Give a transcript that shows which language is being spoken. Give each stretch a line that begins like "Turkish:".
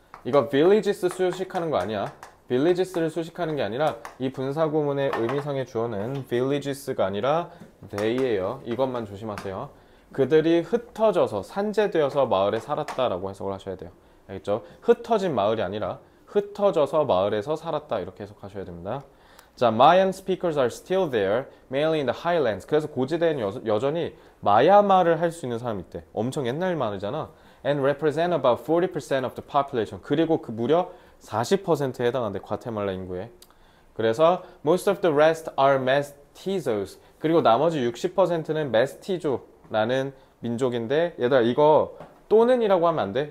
Korean: 이거 villages 수식하는 거 아니야. villages를 수식하는 게 아니라 이 분사구문의 의미상의 주어는 villages가 아니라 they예요. 이것만 조심하세요. 그들이 흩어져서 산재되어서 마을에 살았다라고 해석을 하셔야 돼요. 알겠죠? 흩어진 마을이 아니라 흩어져서 마을에서 살았다 이렇게 해석하셔야 됩니다.
English: 자, Mayan speakers are still there, mainly in the highlands.
Korean: 그래서 고지대는 여전히 마야 말을 할수 있는 사람이 있대. 엄청 옛날 말이잖아.
English: And represent about 40% of the population.
Korean: 그리고 그 무려 40%에 해당한대. 과테말라 인구에. 그래서
English: most of the rest are mestizos.
Korean: 그리고 나머지 60%는 메스티조 라는 민족인데, 얘들아 이거 또는이라고 하면 안 돼.